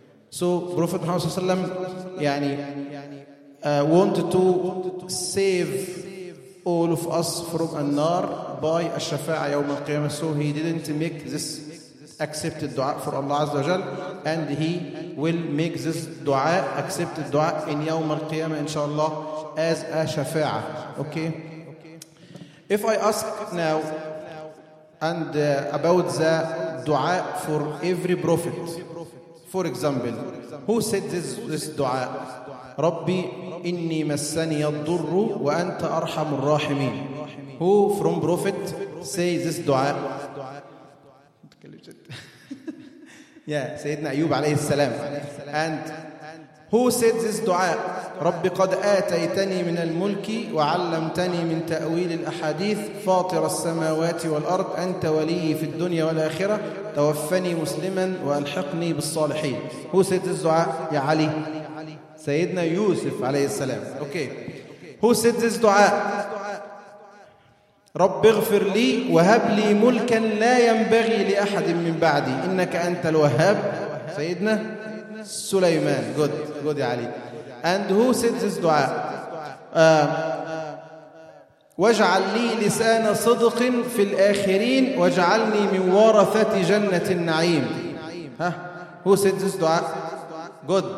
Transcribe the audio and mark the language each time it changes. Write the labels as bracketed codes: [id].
[en] so Prophet Muhammad صلى الله عليه وسلم يعني wanted to save all of us from النار by الشفاعة يوم القيامة so he didn't make this accepted دعاء for Allah عز وجل and he will make this dua, accept the dua in يوم القيامة inshallah as a شفاعة. Okay. If I ask now and about the dua for every prophet, for example, who said this dua? [ar] ربي إني مسني الضر وأنت أرحم الراحمين. [en] Who from prophet say this dua? Yeah, Sayyidina Ayyub alayhi salam. And who said this dua? [ar] رب قد آتيتني من الملك وعلمتني من تأويل الأحاديث فاطر السماوات والأرض أنت ولي في الدنيا والآخرة توفني مسلما وألحقني بالصالحين. [en] Who said this dua? [ar] Ya Ali. [en] Sayyidina Yusuf alayhi salam. Okay. Who said this dua? [ar] رب اغفر لي وهب لي ملكا لا ينبغي لأحد من بعدي إنك أنت الوهاب. سيدنا سليمان. [en] Good. Good [ar] يا علي. [en] And who said this [ar] دعاء؟ واجعل لي لسان صدق في الآخرين واجعلني من ورثة جنة النعيم. [en] Who said this دعاء؟ Good.